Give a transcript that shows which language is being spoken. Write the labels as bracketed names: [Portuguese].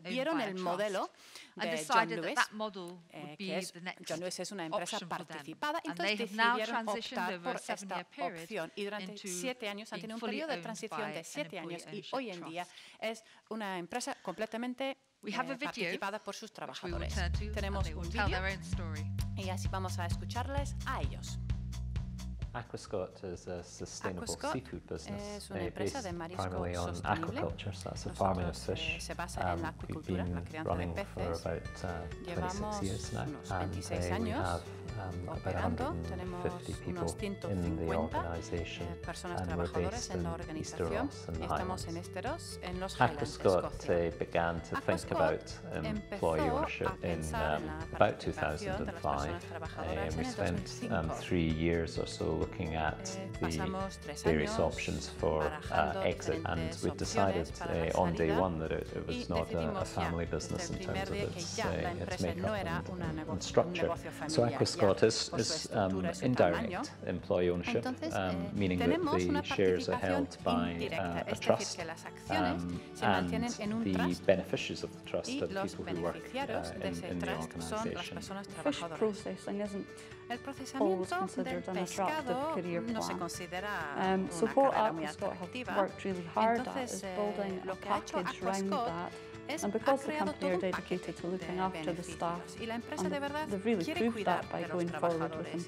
[Spanish] Vieron el modelo de John Lewis, John Lewis es una empresa participada, entonces decidieron optar por esta opción y durante 7 años, han tenido un periodo de transición de 7 años y hoy en día es una empresa completamente participada por sus trabajadores. Tenemos un vídeo y así vamos a escucharles a ellos. [English] Aquascot is a sustainable seafood business based primarily on aquaculture, so that's the farming of fish. We've been running for about 26 years now, and we have about 150 people in the organization, and we're based in Esteros in the Highlands. Aquascot began to think about employee ownership in about 2005. We spent 3 years or so looking at the various options for exit, and we decided on day one that it was not a family business in terms of its makeup and structure. So Aquascot is indirect employee ownership, meaning that the shares are held by a trust, and the beneficiaries of the trust are the people who work in the organization. Fish processing isn't [Spanish] El procesamiento del pescado no se considera una carrera muy atractiva. Entonces, lo que ha hecho Aquascot es ha creado todo un paquete de beneficios. Y la empresa de verdad quiere cuidar de los trabajadores.